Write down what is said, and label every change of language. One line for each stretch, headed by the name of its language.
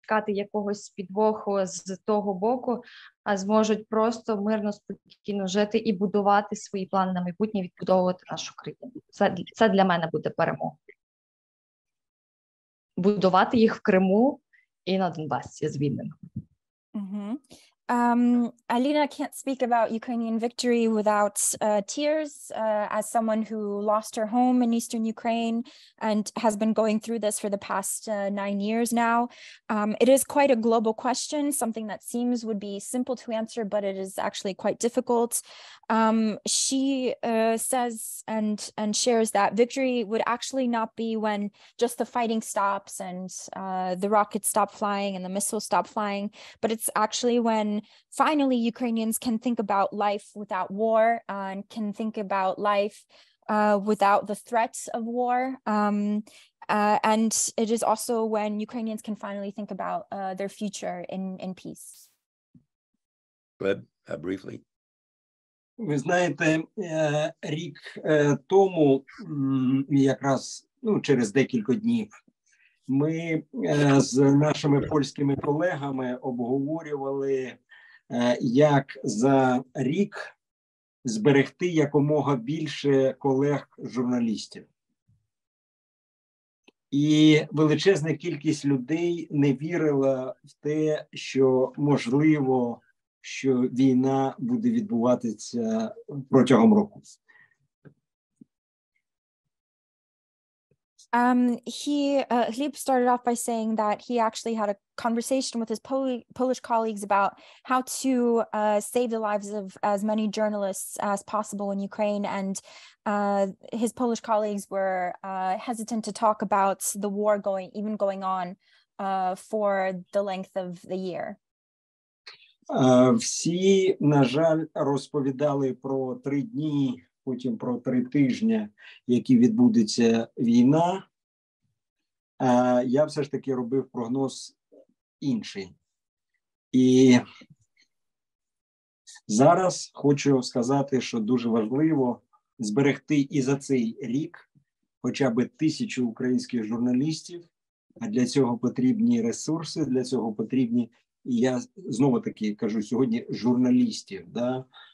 Ukrainian: шукати якогось підвоху з того боку, а зможуть просто мирно, спокійно жити і будувати свої плани на майбутнє, відбудовувати нашу країну. Це для мене буде перемога. Будувати їх в Криму і на Донбасі звільнено.
English: Alina can't speak about Ukrainian victory without tears. As someone who lost her home in eastern Ukraine and has been going through this for the past 9 years now, it is quite a global question, something that seems would be simple to answer, but it is actually quite difficult. She says and shares that victory would actually not be when just the fighting stops and the rockets stop flying and the missiles stop flying, but it's actually when finally Ukrainians can think about life without war and can think about life without the threats of war. And it is also when Ukrainians can finally think about their future in peace. Glib, briefly.
Ukrainian: Ви знаєте, рік тому, якраз через декілька днів, ми з нашими польськими колегами обговорювали, як за рік зберегти якомога більше колег-журналістів. І величезна кількість людей не вірила в те, що можливо, що війна буде відбуватися протягом року.
English: Glib started off by saying that he actually had a conversation with his Polish colleagues about how to save the lives of as many journalists as possible in Ukraine, and his Polish colleagues were hesitant to talk about the war going on for the length of the year.
Ukrainian: Всі, на жаль, розповідали про три дні, потім про три тижні, які відбудеться війна. Я все ж таки робив прогноз інший. І зараз хочу сказати, що дуже важливо зберегти і за цей рік хоча б 1000 українських журналістів, а для цього потрібні ресурси, для цього потрібні, я знову-таки кажу сьогодні, журналістів, да?